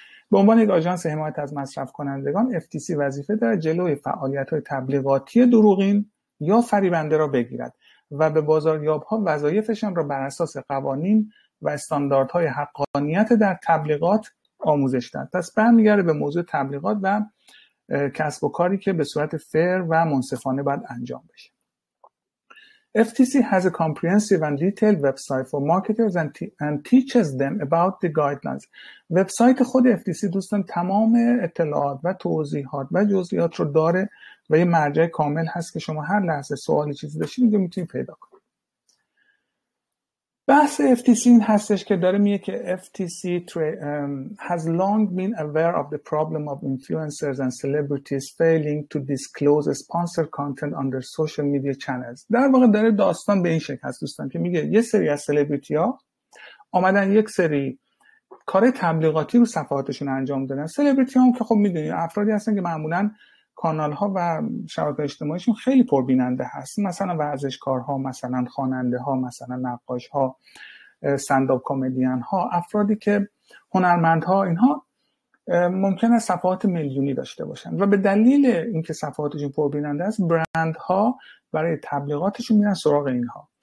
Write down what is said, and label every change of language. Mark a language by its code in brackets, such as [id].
[fa] به عنوان یک آژانس حمایت از مصرف کنندگان FTC وظیفه داره جلوی فعالیت های تبلیغاتی دروغین یا فریبنده را بگیرد و به بازاریاب ها وظایفشان را بر اساس قوانین و استانداردهای حقانیت در تبلیغات آموزش داد. پس برمیگرده به موضوع تبلیغات و کسب و کاری که به صورت فیر و منصفانه باید انجام بشه. [en] FTC has a comprehensive and detailed website for marketers and teaches them about the guidelines. [fa] وبسایت خود FTC دوستان تمام اطلاعات و توضیحات و جزئیات رو داره و یه مرجع کامل هست که شما هر لحظه سوالی چیزی داشتید اینجا میتونید پیدا کنید. بحث FTC این هستش که داره میگه که [en] FTC has long been aware of the problem of influencers and celebrities failing to disclose sponsored content on their social media channels. [fa] در واقع داره داستان به این شکل هست دوستان که میگه یه سری از سلبریتی ها آمدن یک سری کار تبلیغاتی رو صفحاتشون انجام دادن. سلبریتی ها هم که خب میدونی افرادی هستن که معمولاً کانال ها و شبکه اجتماعیشون خیلی پربیننده هست، مثلا ورزشکارها، مثلا خواننده ها، مثلا نقاش ها، استنداپ کمدین ها، افرادی که هنرمند ها، اینها ممکنه صفحات میلیونی داشته باشن و به دلیل اینکه صفحاتشون پربیننده است برند ها برای تبلیغاتشون میرن سراغ اینها.